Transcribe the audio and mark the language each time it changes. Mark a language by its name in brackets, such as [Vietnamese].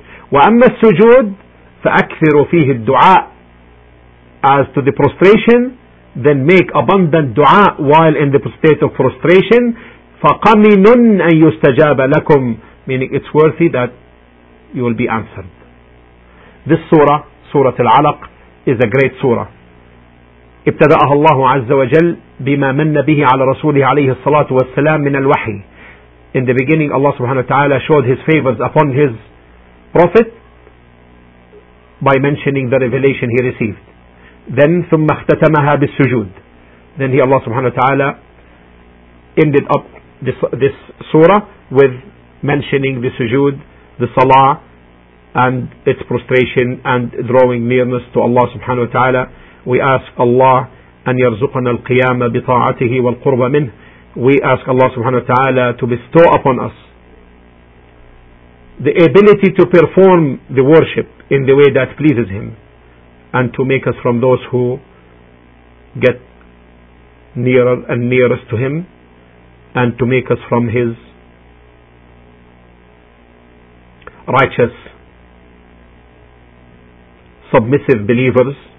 [Arabic] وأما السجود فأكثروا فيه الدعاء, [English] as to the prostration, then make abundant dua while in the state of prostration. [Arabic] فَقَمِنٌ أَن يُسْتَجَابَ لَكُمْ, [English] meaning it's worthy that you will be answered. This surah, Surah Al-Alaq, is a great surah. [Arabic] ابتدأها الله عز وجل بما من به على رسوله عليه الصلاة والسلام من الوحي. [English] In the beginning Allah subhanahu wa ta'ala showed his favors upon his prophet by mentioning the revelation he received. Then [Arabic] ثم اختتمها بالسجود. [English] Then he, Allah subhanahu wa ta'ala, ended up this surah with mentioning the sujood, the salah, and its prostration and drawing nearness to Allah subhanahu wa ta'ala. We ask Allah [Arabic] أن يرزقنا القيام بطاعته والقرب منه. [English] We ask Allah subhanahu wa ta'ala to bestow upon us the ability to perform the worship in the way that pleases him, and to make us from those who get nearer and nearest to him, and to make us from his righteous, submissive believers.